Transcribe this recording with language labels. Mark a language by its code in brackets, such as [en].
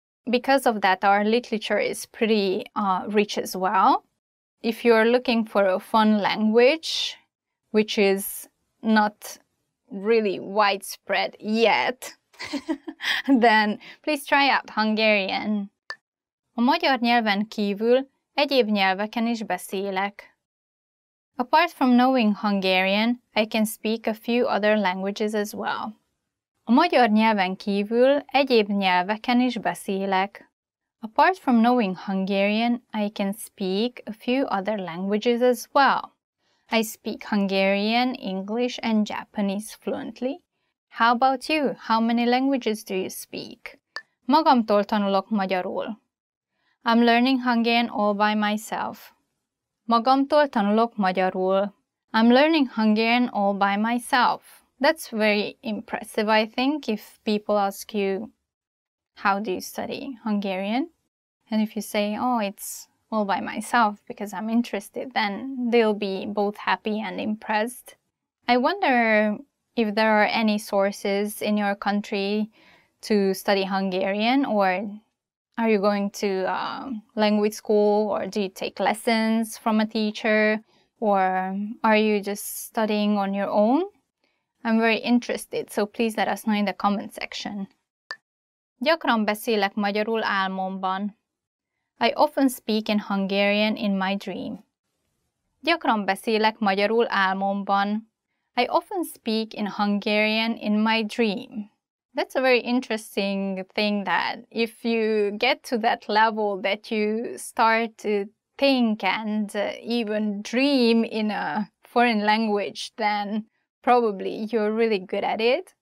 [en] because of that, our literature is pretty rich as well. If you're looking for a fun language, which is not really widespread yet, then please try out Hungarian. [hu] A magyar nyelven kívül egyéb nyelveken is beszélek. [en] Apart from knowing Hungarian, I can speak a few other languages as well. [hu] A magyar nyelven kívül egyéb nyelveken is beszélek. [en] Apart from knowing Hungarian, I can speak a few other languages as well. I speak Hungarian, English, and Japanese fluently. How about you? How many languages do you speak? [hu] Magamtól tanulok magyarul. [en] I'm learning Hungarian all by myself. [hu] Magamtól tanulok magyarul. [en] I'm learning Hungarian all by myself. That's very impressive, I think, if people ask you, how do you study Hungarian? And if you say, oh, it's all by myself because I'm interested, then they'll be both happy and impressed. I wonder if there are any sources in your country to study Hungarian, or are you going to language school, or do you take lessons from a teacher, or are you just studying on your own? I'm very interested, so please let us know in the comment section. [hu] Gyakran beszélek magyarul álmomban. [en] I often speak in Hungarian in my dream. [hu] Gyakran beszélek magyarul álmomban. [en] I often speak in Hungarian in my dream. That's a very interesting thing, that if you get to that level that you start to think and even dream in a foreign language, then probably you're really good at it.